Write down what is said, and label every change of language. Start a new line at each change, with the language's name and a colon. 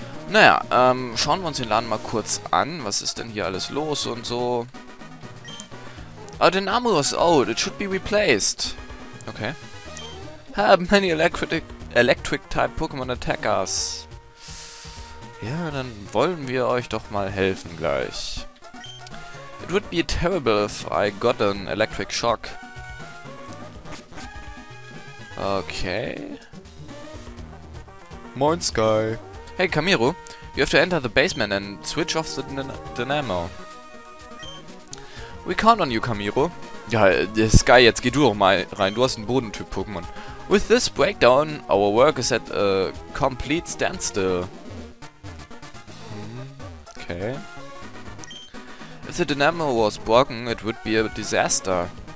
German: Naja, schauen wir uns den Laden mal kurz an. Was ist denn hier alles los und so?
English: Ah, the Namu was old. It should be replaced. Okay. Have many electric-type Pokémon attackers.
German: Ja, dann wollen wir euch doch mal helfen gleich.
English: It would be terrible if I got an electric shock. Okay.
German: Moin Sky.
English: Hey Kamiro, you have to enter the basement and switch off the dynamo. We count on you, Kamiro.
German: Ja, Sky, jetzt geh du doch mal rein. Du hast einen Bodentyp Pokémon.
English: With this breakdown, our work is at a complete standstill. Okay. If the dynamo was broken, it would be a disaster.